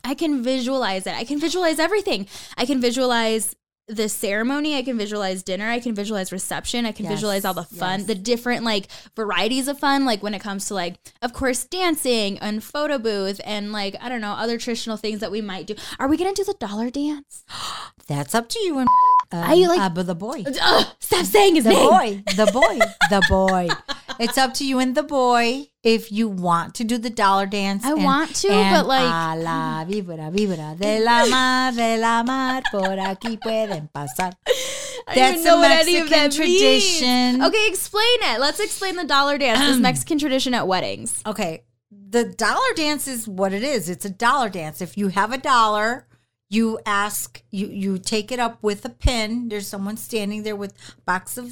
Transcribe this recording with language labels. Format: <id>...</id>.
<en>I can visualize it. I can visualize everything. I can visualize the ceremony, I can visualize dinner, I can visualize reception, I can visualize all the fun, the different like varieties of fun, like when it comes to like, of course, dancing and photo booth and like, I don't know, other traditional things that we might do. Are we gonna do the dollar dance? That's up to you. And I like the boy. Stop saying his the name. The boy. It's up to you and the boy if you want to do the dollar dance. I want to, but like.</en> <es>A la vibra, vibra de la mar, por aquí pueden pasar.</es> <en>That's a Mexican tradition. Okay, explain it. Let's explain the dollar dance, this Mexican tradition at weddings. Okay, the dollar dance is what it is. It's a dollar dance. If you have a dollar, you ask, you take it up with a pin. There's someone standing there with a box of</en>